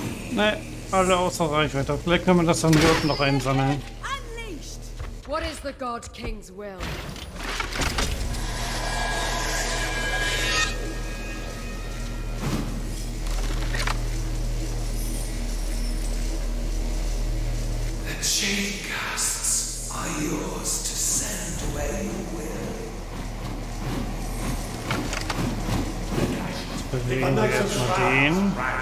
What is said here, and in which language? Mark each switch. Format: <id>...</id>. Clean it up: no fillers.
<de>Nee, alle außer Reichweite. Vielleicht können wir das dann hier noch einsammeln.</de> <en>What is the God King's will? The chain casts are yours to send where you will.</en> <de>Jetzt bewegen wir erstmal den.</de>